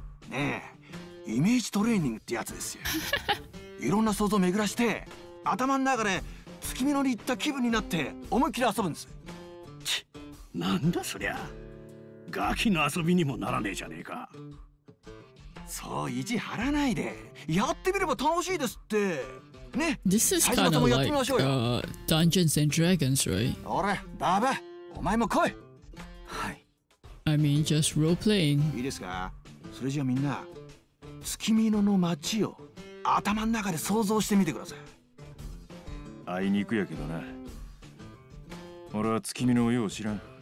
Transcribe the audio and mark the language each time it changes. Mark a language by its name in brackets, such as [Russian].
[Japanese] ねえ、イメージトレーニングってやつですよ。いろんな想像巡らして、頭の中で月見野に行った気分になって思いっきり遊ぶんです。ち、なんだそりゃ、ガキの遊びにもならねえじゃねえか。そう意地張らないで、やってみれば楽しいですってね。 [English] This is kind of like Dungeons and Dragons, right? [Japanese] おら、バーバ、お前も来い。はい。 [English] I mean, just role playing. [Japanese] いいですか。それじゃあみんな、月見野の街を頭の中で想像してみてください。あいにくやけどな、俺は月見野をよう知らん。